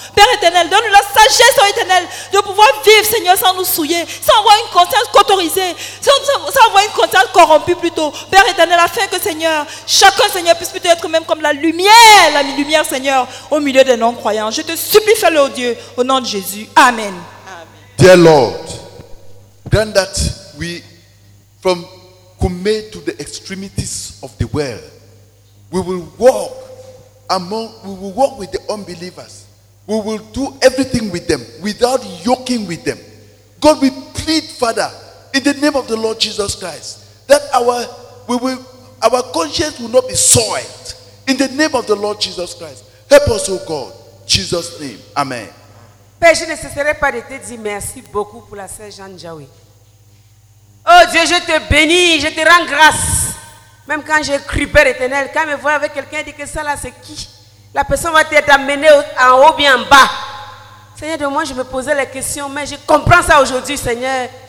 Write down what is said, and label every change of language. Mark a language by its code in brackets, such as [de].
[fr] Père Éternel, donne-nous la sagesse, oh Éternel, de pouvoir vivre, Seigneur, sans nous souiller, sans avoir une conscience cotorisée, sans avoir une conscience corrompue plutôt. Père Éternel, afin que, Seigneur, chacun, Seigneur, puisse plutôt être même comme la lumière, Seigneur, au milieu des non-croyants. Je te supplie, fais-le, oh Dieu, au nom de Jésus. Amen. Amen. [en] Dear Lord, grant that we, from Kume to the extremities of the world, We will walk with the unbelievers. We will do everything with them without yoking with them. God, we plead, Father, in the name of the Lord Jesus Christ, that our conscience will not be soiled. In the name of the Lord Jesus Christ, help us, O God. Jesus' name. Amen. [fr] Père, je ne cesserai pas de te dire merci beaucoup pour la Sœur Jeanne Djawé. Oh Dieu, je te bénis, je te rends grâce. Même quand j'ai cru, Père Éternel, quand je me vois avec quelqu'un, je dis que ça là, c'est qui? La personne va être amenée en haut bien en bas. Seigneur, de moi, je me posais la question, mais je comprends ça aujourd'hui, Seigneur.